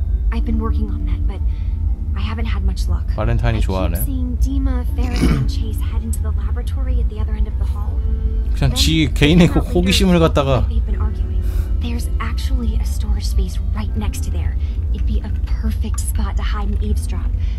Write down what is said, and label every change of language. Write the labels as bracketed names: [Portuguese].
[English] I've been working on that, but I haven't had much luck. [Korean] 발렌타인이 좋아하네. [English] Seeing Dima, Farrah, and Chase head into the laboratory at the other end of the hall. [Korean] 그냥 지 개인의 그 호기심을 갖다가. [English] There's actually a storage space right next to there. It'd be a perfect spot to hide and eavesdrop.